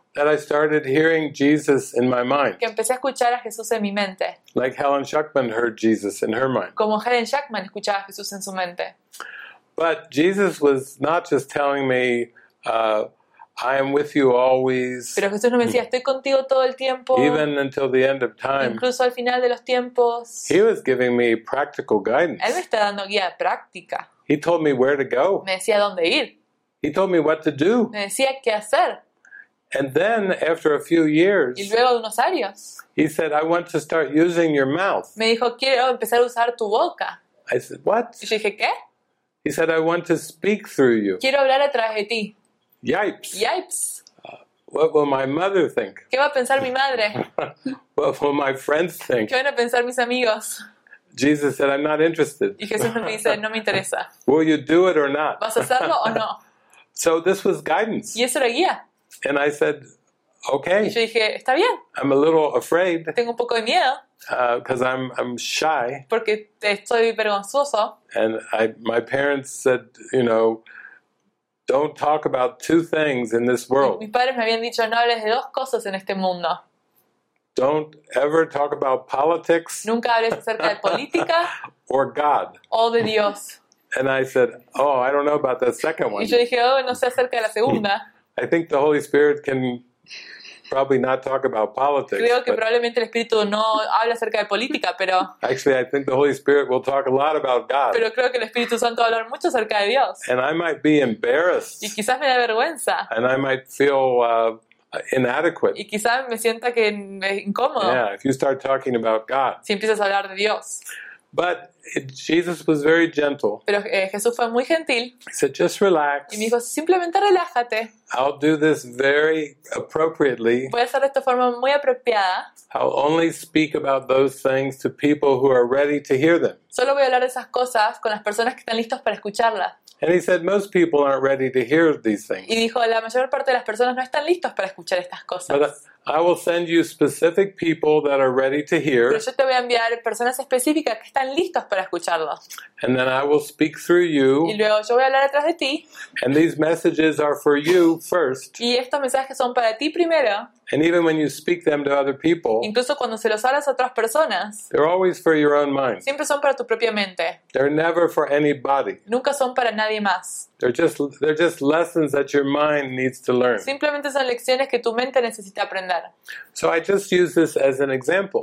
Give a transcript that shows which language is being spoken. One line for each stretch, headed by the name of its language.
English: That I started hearing Jesus in my mind.
Spanish: Que empecé a escuchar a Jesús en mi mente.
English: Like Helen Schuckman heard Jesus in her mind.
Spanish: Como Helen Schuckman escuchaba a Jesús en su mente.
English: But Jesus was not just telling me, I am with you always.
Spanish: Pero Jesús no me decía, estoy contigo todo el tiempo.
English: Even until the end of time.
Spanish: Incluso al final de los tiempos.
English: He was giving me practical guidance.
Spanish: Él me está dando guía práctica.
English: He told me where to go.
Spanish: Me decía dónde ir.
English: He told me what to do.
Spanish: Me decía qué hacer.
English: And then after a few years.
Spanish: Y luego de unos años.
English: He said, I want to start using your mouth.
Spanish: Me dijo, quiero empezar a usar tu boca.
English: I said, what?
Spanish: Y yo dije, ¿qué?
English: He said, I want to speak through you.
Spanish: Quiero hablar a través de ti. Yipes. Yipes.
English: What will my mother think?
Spanish: ¿Qué va a pensar mi madre?
English: What will my friends think?
Spanish: ¿Qué van a pensar mis amigos?
English: Jesus said, I'm not interested.
Spanish: Y Jesús me dice, no me interesa.
English: Will you do it or not?
Spanish: ¿Vas a hacerlo o no?
English: So this was guidance.
Spanish: Y eso era guía.
English: And I said, okay.
Spanish: Y yo dije, está bien.
English: I'm a little afraid.
Spanish: Tengo un poco de miedo.
English: Because I'm shy.
Spanish: Porque estoy vergonzoso.
English: And my parents said, you know, don't talk about two things in this world.
Spanish: Mis padres me habían dicho no hables de dos cosas en este mundo.
English: Don't ever talk about politics.
Spanish: Nunca hables acerca de política.
English: Or God.
Spanish: O de Dios.
English: And I said, oh, I don't know about the second one.
Spanish: Y yo dije, oh, no sé acerca de la segunda.
English: I think the Holy Spirit can probably not talk about politics.
Spanish: Creo que probablemente el Espíritu no habla acerca de política, pero.
English: Actually, I think the Holy Spirit will talk a lot about God.
Spanish: Pero creo que el Espíritu Santo va a hablar mucho acerca de Dios.
English: And I might be embarrassed.
Spanish: Y quizás me da vergüenza.
English: And I might feel inadequate.
Spanish: Y quizás me sienta que es incómodo.
English: Yeah, if you start talking about God.
Spanish: Si empiezas a hablar de Dios.
English: But Jesus was very gentle.
Spanish: Pero Jesús fue muy gentil.
English: He said, just relax.
Spanish: Y me dijo, simplemente relájate.
English: I'll do this very appropriately.
Spanish: Voy a hacer esto de forma muy apropiada.
English: I'll only speak about those things to people who are ready to hear them.
Spanish: Solo voy a hablar de esas cosas con las personas que están listos para escucharlas.
English: And he said, most people aren't ready to hear these things.
Spanish: Y dijo, la mayor parte de las personas no están listos para escuchar estas cosas.
English: But I will send you specific people that are ready to hear.
Spanish: Pero yo te voy a enviar personas específicas que están listos para escucharlo.
English: And then I will speak through you.
Spanish: Y luego yo voy a hablar atrás de ti.
English: And these messages are for you first.
Spanish: Y estos mensajes son para ti primero.
English: And even when you speak them to other people,
Spanish: incluso cuando se los hablas a otras personas,
English: they're always for your own mind.
Spanish: Siempre son para tu propia mente.
English: They're never for anybody.
Spanish: Nunca son para nadie más.
English: They're just lessons that your mind needs to learn.
Spanish: Simplemente son lecciones que tu mente necesita aprender.
English: So I just use this as an example.